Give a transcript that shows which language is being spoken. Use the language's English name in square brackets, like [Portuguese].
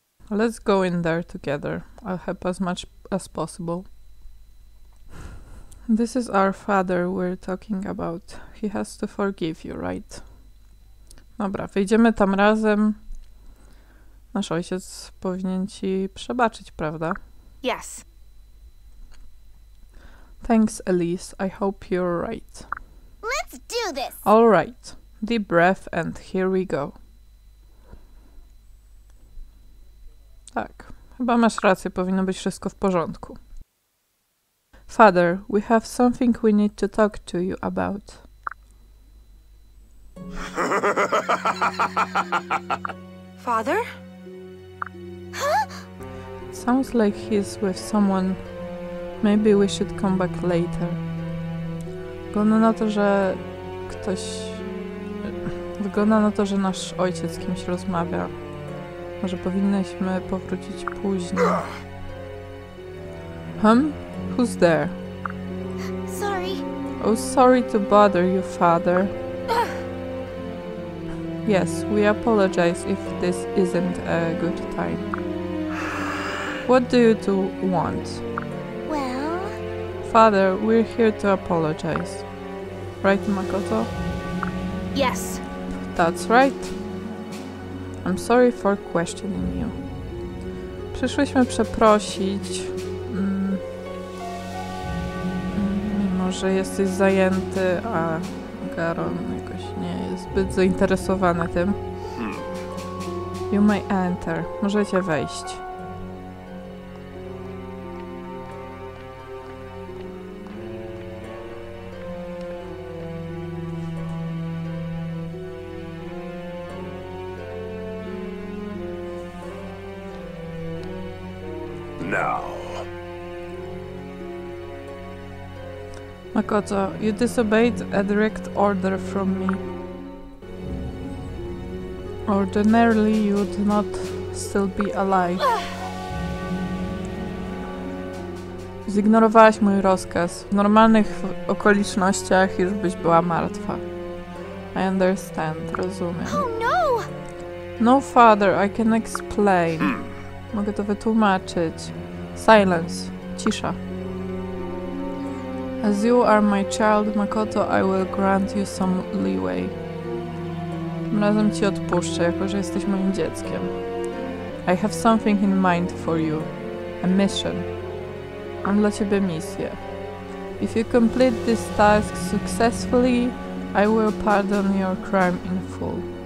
[English] Let's go in there together. I'll help as much as possible. This is our father we're talking about. He has to forgive you, right? [Polish] Dobra, wyjdziemy tam razem. Nasz ojciec powinien ci przebaczyć, prawda? [English] Yes. Thanks, Elise. I hope you're right. Let's do this! All right. Deep breath and here we go. [Polish] Tak, chyba masz rację, powinno być wszystko w porządku. [English] Father, we have something we need to talk to you about. Father? Huh? Sounds like he's with someone. Maybe we should come back later. [Polish] Wygląda na to, że ktoś... Wygląda na to, że nasz ojciec z kimś rozmawia. Może powinnyśmy powrócić później. [English] Hmm? Who's there? Sorry. Oh, sorry to bother you, father. Yes, we apologize if this isn't a good time. What do you two want? Well... Father, we're here to apologize. Right, Makoto? Yes. That's right. I'm sorry for questioning you. [Polish] Przyszłyśmy przeprosić, mimo że jesteś zajęty, a Garon jakoś nie jest zbyt zainteresowany tym. [English] You may enter. [Polish] Możecie wejść. [English] Makoto, you disobeyed a direct order from me. Ordinarily, you would not still be alive. [Polish] Zignorowałaś mój rozkaz. W normalnych okolicznościach już byś była martwa. [English] I understand, [Polish] rozumiem. [English] Oh, no! No, father, I can explain. [Polish] Mogę to wytłumaczyć. [English] Silence. [Polish] Cisza. [English] As you are my child, Makoto, I will grant you some leeway. [Polish] Tym razem ci odpuszczę, jako że jesteś moim dzieckiem. [English] I have something in mind for you. A mission. [Polish] Mam dla ciebie misję. [English] If you complete this task successfully, I will pardon your crime in full.